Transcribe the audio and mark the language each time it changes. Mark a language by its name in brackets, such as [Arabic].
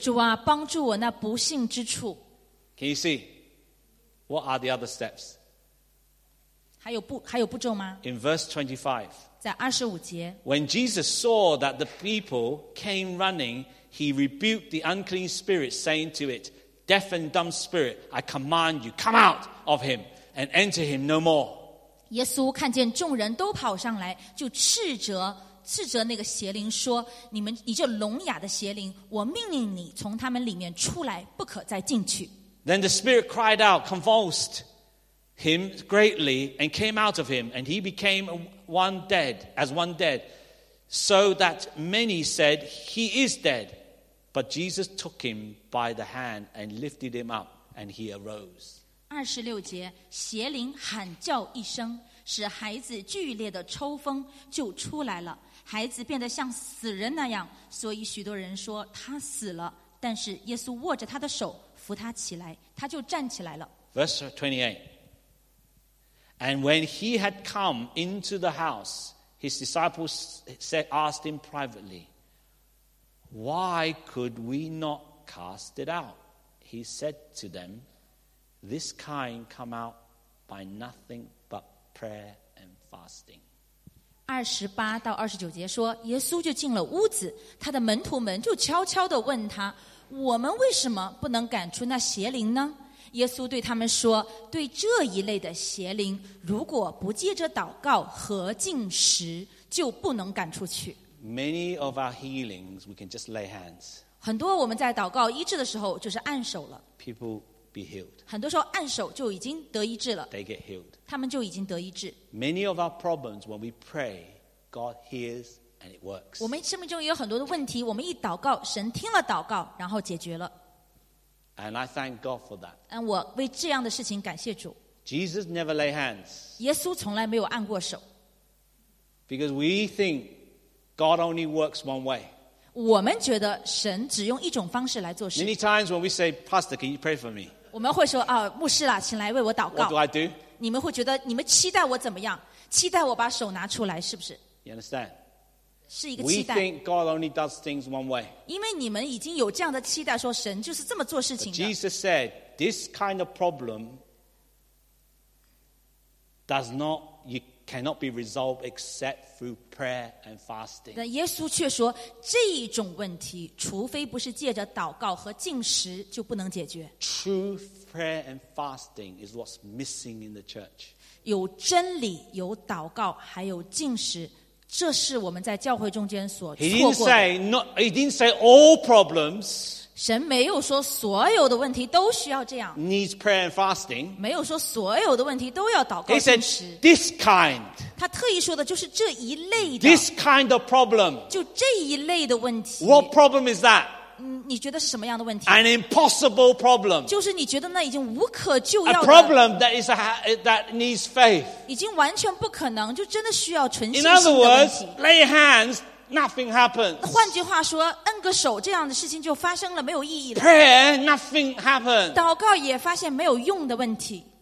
[Chinese] 主啊，帮助我那不信之处。 [English] Can you see? What are the other steps? [Chinese] 还有步骤吗? [English] In verse 25. [Chinese] 在二十五节。 [English] When Jesus saw that the people came running, he rebuked the unclean spirit, saying to it, deaf and dumb spirit, I command you, come out of him and enter him no more. [Chinese] 耶稣看见众人都跑上来，就斥责那个邪灵说你这聋哑的邪灵我命令你从他们里面出来不可再进去 [English] Then the spirit cried out convulsed him greatly and came out of him and he became one dead so that many said he is dead but Jesus took him by the hand and lifted him up and he arose [Chinese] 二十六节邪灵喊叫一声使孩子剧烈的抽风就出来了孩子变得像死人那样所以许多人说他死了但是耶稣握着他的手扶他起来他就站起来了 [English] Verse 28 And when he had come into the house his disciples asked him privately Why could we not cast it out? He said to them This kind come out by nothing but prayer and fasting [Chinese] 二十八到二十九节说耶稣就进了屋子他的门徒们就悄悄地问他我们为什么不能赶出那邪灵呢耶稣对他们说对这一类的邪灵如果不借着祷告和禁食就不能赶出去 [English] Many of our healings, we can just lay hands. [Chinese] 很多我们在祷告医治的时候就是按手了 [English] People be healed. [Chinese] 很多时候按手就已经得医治了 [English] They get healed. [Chinese] 他们就已经得医治。 [English] Many of our problems, when we pray, God hears and it works. [Chinese] 我们生命中也有很多的问题，我们一祷告，神听了祷告，然后解决了。 [English] And I thank God for that. [Chinese] 我为这样的事情感谢主。 [English] Jesus never lay hands. [Chinese] 耶稣从来没有按过手。 [English] Because we think God only works one way. [Chinese] 我们觉得神只用一种方式来做事。 [English] Many times when we say, Pastor, can you pray for me? [Chinese] 我们会说啊，牧师啦，请来为我祷告。 [English] What do I do? [Chinese] 你们会觉得你们期待我怎么样？期待我把手拿出来，是不是 [English] ？You understand? [Chinese] 是一个期待。 [English] We think God only does things one way. [Chinese] 因为你们已经有这样的期待，说神就是这么做事情的。 [English] Jesus said, "This kind of problem does not you cannot be resolved except through prayer and fasting." [Chinese] 但耶稣却说，这一种问题，除非不是借着祷告和禁食，就不能解决。 [English] Truth. Prayer and fasting is what's missing in the church. [Chinese] 有真理，有祷告，还有禁食，这是我们在教会中间所错过的。 [English] He didn't say all problems. [Chinese] 神没有说所有的问题都需要这样。 [English] Needs prayer and fasting. [Chinese] 没有说所有的问题都要祷告禁食。 [English] He said this kind. [Chinese] 他特意说的就是这一类的。 [English] This kind of problem. [Chinese] 就这一类的问题。 [English] What problem is that? [Chinese] 你觉得是什么样的问题 [English] ？An impossible problem. [Chinese] 就是你觉得那已经无可救药的。 [English] A problem that needs faith. [Chinese] 已经完全不可能，就真的需要纯信心的问题。 [English] In other words, lay hands, nothing happens. [Chinese] 换句话说，摁个手这样的事情就发生了，没有意义了。 [English] Prayer, nothing happens. [Chinese] 祷告也发现没有用的问题。